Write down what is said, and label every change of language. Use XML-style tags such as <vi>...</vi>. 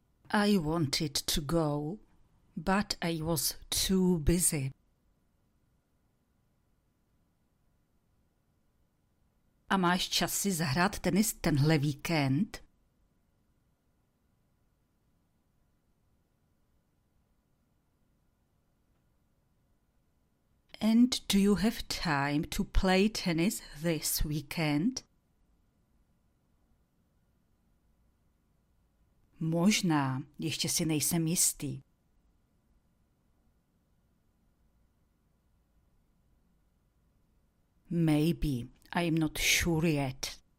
<en>I wanted to go, but I was too busy.</en> <cs>A máš čas si zahrát tenis tenhle víkend?</cs> <en>And do you have time to play tennis this weekend?</en> <cs>Možná, ještě si nejsem jistý.</cs> <en>Maybe, I'm not sure yet.</en>